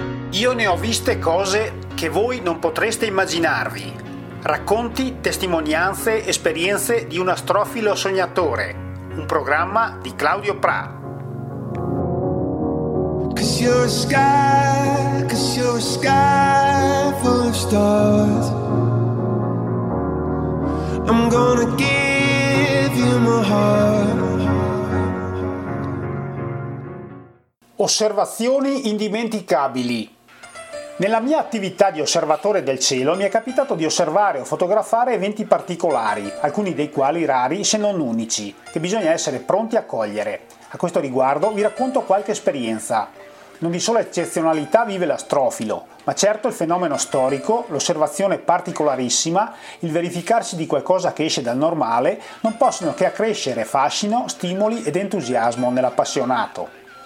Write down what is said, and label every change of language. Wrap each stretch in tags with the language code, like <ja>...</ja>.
<it>Io ne ho viste cose che voi non potreste immaginarvi. Racconti, testimonianze, esperienze di un astrofilo sognatore. Un programma di Claudio Pra.</it> <en>Cause you're a sky, cause you're a sky full of stars. I'm gonna give you my heart.</en> <it>Osservazioni indimenticabili. Nella mia attività di osservatore del cielo mi è capitato di osservare o fotografare eventi particolari, alcuni dei quali rari se non unici, che bisogna essere pronti a cogliere. A questo riguardo vi racconto qualche esperienza. Non di sola eccezionalità vive l'astrofilo, ma certo il fenomeno storico, l'osservazione particolarissima, il verificarsi di qualcosa che esce dal normale, non possono che accrescere fascino, stimoli ed entusiasmo nell'appassionato.</it>